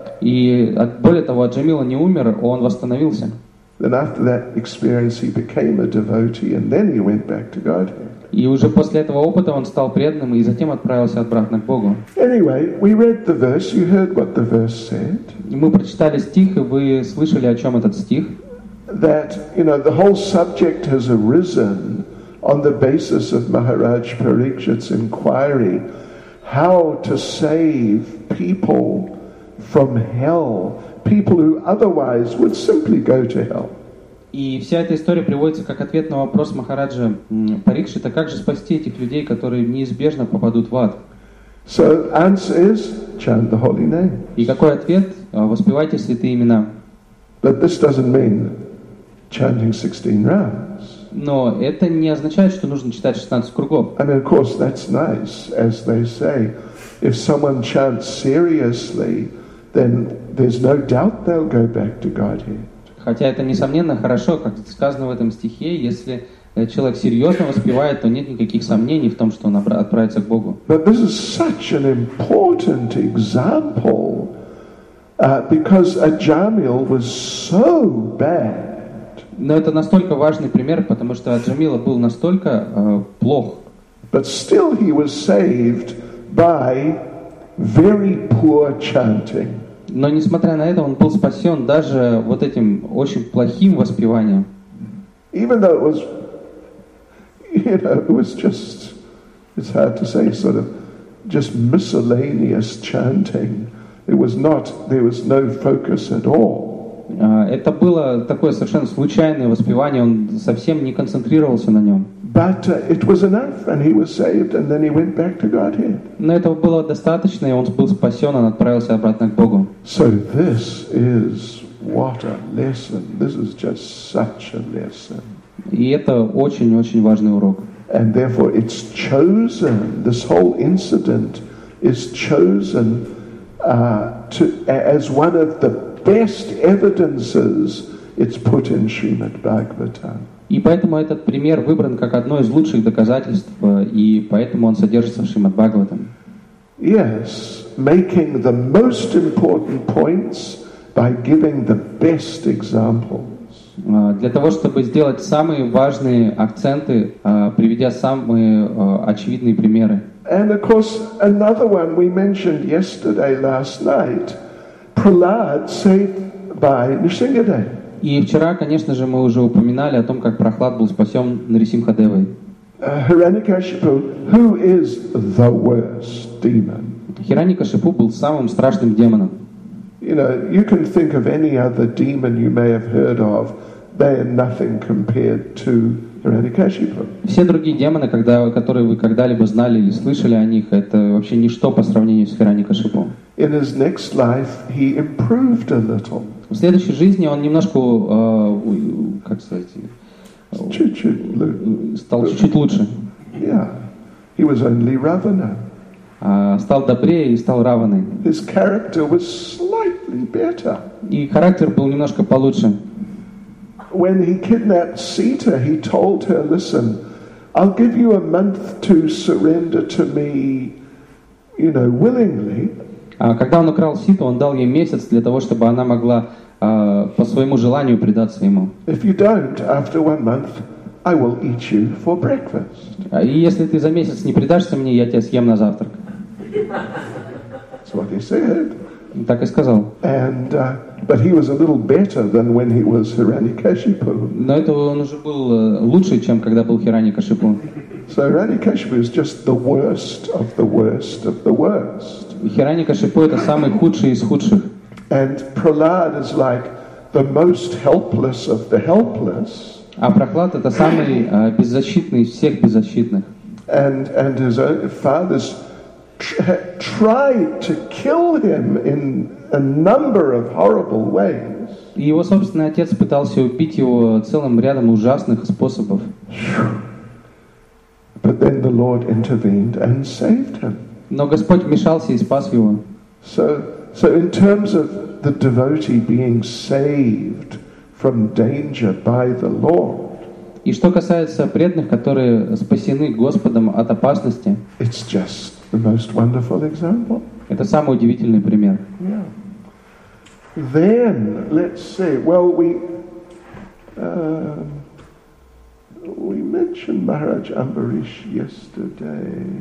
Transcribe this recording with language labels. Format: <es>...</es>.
<ru>И более того, Аджамила не умер, он восстановился.</ru> <en>Then after that experience, he became a devotee, and then he went back to Godhead.</en> <ru>И уже после этого опыта он стал преданным и затем отправился обратно к Богу.</ru> <en>Anyway, we read the verse. You heard what the verse said.</en> <ru>Мы прочитали стих, и вы слышали, о чем этот стих?</ru> <en>That, you know, the whole subject has arisen on the basis of Maharaj Parikshit's inquiry, how to save people from hell, people who otherwise would simply go to hell.</en> <ru>И вся эта история приводится как ответ на вопрос Махараджа Парикшита, как же спасти этих людей, которые неизбежно попадут в ад?</ru> <en>So answer is chant the holy name.</en> <ru>И какой ответ? Воспевайте святые имена.</ru> <en>But this doesn't mean chanting 16 rounds.</en> <ru>Но это не означает, что нужно читать 16 кругов.</ru> <en>And of course that's nice, as they say, if someone chants seriously, then there's no doubt they'll go back to Godhead.</en> <ru>Хотя это несомненно хорошо, как сказано в этом стихе, если человек серьезно воспевает, то нет никаких сомнений в том, что он отправится к Богу.</ru> <en>But this is such an important example, because Ajamil was so bad.</en> <ru>Но это настолько важный пример, потому что Аджамила был настолько плох.</ru> <en>But still he was saved by very poor chanting.</en> <ru>Но несмотря на это, он был спасен даже вот этим очень плохим воспеванием.</ru> <en>Even though it was, you know, it was just, it's hard to say, sort of just miscellaneous chanting. It was not, there was no focus at all.</en> <ru>Это было такое совершенно случайное воспевание, он совсем не концентрировался на нем.</ru> <en>But it was enough, and he was saved, and then he went back to Godhead.</en> <ru>Но этого было достаточно, и он был спасен, он отправился обратно к Богу.</ru> <en>So this is what a lesson. This is just such a lesson.</en> <ru>И это очень-очень важный урок.</ru> <en>And therefore, it's chosen. This whole incident is chosen to as one of the best evidences. It's put in Srimad Bhagavatam.</en> <ru>И поэтому этот пример выбран как одно из лучших доказательств, и поэтому он содержится в Шримад Бхагаватам.</ru> <en>Yes, making the most important points by giving the best examples.</en> <ru>Для того, чтобы сделать самые важные акценты, приведя самые очевидные примеры.</ru> <en>And of course, another one we mentioned yesterday, last night, Prahlad saved by Nrisimhadev.</en> <ru>И вчера, конечно же, мы уже упоминали о том, как Прохлад был спасен Нарисимхадевой.</ru> <en>Hiranyakashipu, who is the worst demon?</en> <ru>Hiranyakashipu был самым страшным демоном.</ru> <en>You know, you can think of any other demon you may have heard of. They are nothing compared to Hiranyakashipu.</en> <ru>Все другие демоны, которые вы когда-либо знали или слышали о них, это вообще ничто по сравнению с Hiranyakashipu.</ru> <en>In his next life, he improved a little.</en> <ru>В следующей жизни он немножко, как сказать, стал чуть-чуть лучше.</ru> <en>Yeah, he was only Ravana.</en> <ru>Стал добрее и стал Раваной.</ru> <en>His character was slightly better.</en> <ru>И характер был немножко получше.</ru> <en>When he kidnapped Sita, he told her, "Listen, I'll give you a month to surrender to me, you know, willingly."</en> <ru>Когда он украл Ситу, он дал ей месяц для того, чтобы она могла по своему желанию предаться ему.</ru> <en>If you don't, after one month, I will eat you for breakfast.</en> <ru>И если ты за месяц не предашься мне, я тебя съем на завтрак.</ru> <en>That's what he said.</en> <ru>Так и сказал.</ru> <en>And but he was a little better than when he was Hiranyakashipu.</en> <ru>Но это он уже был лучше, чем когда был Hiranyakashipu.</ru> <en>So Hiranyakashipu is just the worst of the worst of the worst.</en> <ru>Hiranyakashipu это самый худший из худших.</ru> <en>And Prahlad is like the most helpless of the helpless.</en> <ru>А Прохлад это самый беззащитный из всех беззащитных.</ru> <en>And his own father's tried to kill him in a number of horrible ways.</en> <ru>И его собственный отец пытался убить его целым рядом ужасных способов.</ru> <en>But then the Lord intervened and saved him.</en> <ru>Но Господь вмешался и спас его.</ru> <en>So in terms of the devotee being saved from danger by the Lord.</en> <ru>И что касается преданных, которые спасены Господом от опасности.</ru> <en>It's just the most wonderful example.</en> <ru>Это самый удивительный пример.</ru> <en>Yeah. Then let's see. Well, we mentioned Maharaj Ambarish yesterday.</en>